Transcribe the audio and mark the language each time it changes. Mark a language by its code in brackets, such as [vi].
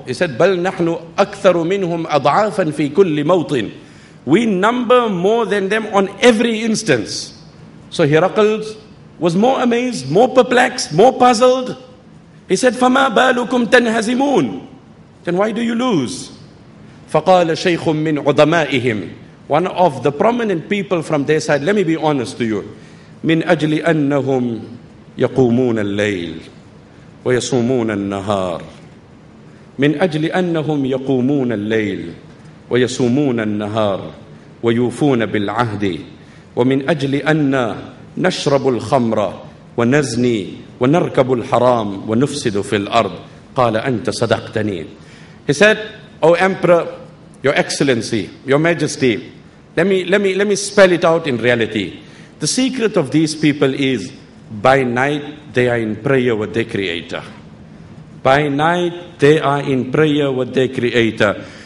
[en] He said, [ar] بَلْ نَحْنُ أَكْثَرُ مِنْهُمْ أَضْعَافًا فِي كُلِّ مَوْطِنِ, [en] we number more than them on every instance. So Hiraqal was more amazed, more perplexed, more puzzled. He said, [ar] فَمَا بَالُكُمْ تَنْهَزِمُونَ, [en] then why do you lose? [ar] فَقَالَ شَيْخٌ مِّنْ عُضَمَائِهِمْ, [en] one of the prominent people from their side, let me be honest to you, [ar] مِنْ أَجْلِ أَنَّهُمْ يَقُومُونَ اللَّيْلِ وَيَصُومُونَ النَّهَارِ, مِنْ أَجْلِ أَنَّهُمْ يَقُومُونَ اللَّيْلِ وَيَصُومُونَ النَّهَارِ وَيُوفُونَ بِالْعَهْدِ, وَمِنْ أَجْلِ أَنَّا نَشْرَبُ الْخَمْرَ وَنَزْنِي وَنَرْكَبُ الْحَرَامِ وَنُفْسِدُ فِي الْأَرْضِ قَالَ أَنْتَ صَدَقْتَنِي. [en] He said, O Emperor, Your Excellency, Your Majesty, let me spell it out in reality. The secret of these people is, by night they are in prayer with their Creator. By night they are in prayer with their Creator.